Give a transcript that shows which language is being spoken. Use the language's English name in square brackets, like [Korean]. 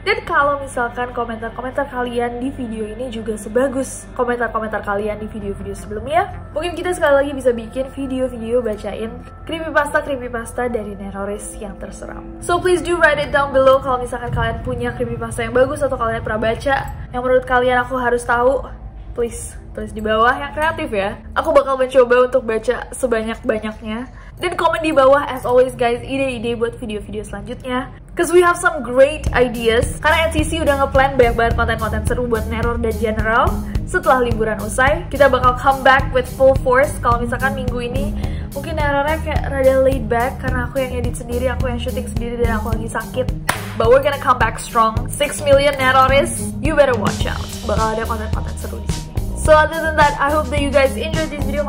[Indonesian] Dan kalau misalkan komentar-komentar kalian di video ini juga sebagus komentar-komentar kalian di video-video sebelumnya, mungkin kita sekali lagi bisa bikin video-video bacain creepypasta-creepypasta dari Neroris yang terseram. [English] So please do write it down below [Indonesian] kalau misalkan kalian punya creepypasta yang bagus atau kalian pernah baca yang menurut kalian aku harus tahu. Please tulis di bawah yang kreatif ya. Aku bakal mencoba untuk baca sebanyak-banyaknya. Dan komen di bawah [English] as always guys, [Indonesian] ide-ide buat video-video selanjutnya. [English] Cause we have some great ideas. [Indonesian] Karena NCC udah nge-plan banyak banget konten-konten seru buat Neror dan General. Setelah liburan usai, kita bakal [English] come back with full force. [Indonesian] Kalau misalkan minggu ini mungkin Nerornya kayak rada [English] laid back [Indonesian] karena aku yang edit sendiri, aku yang shooting sendiri, dan aku lagi sakit. [English] But we're gonna come back strong. 6 million Neroris, you better watch out. [Indonesian] Bakal ada konten-konten seru di sini. [English] So other than that, I hope that you guys enjoyed this video.